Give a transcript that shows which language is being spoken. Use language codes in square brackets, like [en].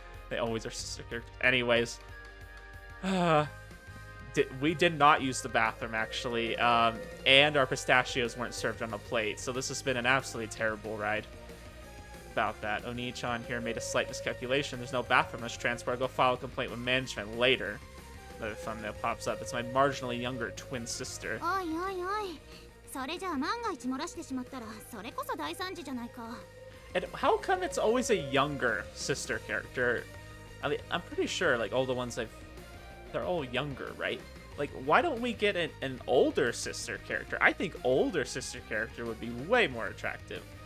[en] They always are sister characters. Anyways, we did not use the bathroom, actually, and our pistachios weren't served on a plate, so this has been an absolutely terrible ride. About that, Oni-chan here made a slight miscalculation. There's no bathroom on this transport. I'll go file a complaint with management later. Another thumbnail pops up. It's my marginally younger twin sister. Oi, oi, oi. [ja] それじゃあ万が一漏らしてしまったら、それこそ大惨事じゃないか。 [en] And how come it's always a younger sister character? I mean, I'm pretty sure, like, all the ones I've... They're all younger, right? Like, why don't we get an older sister character? I think older sister character would be way more attractive.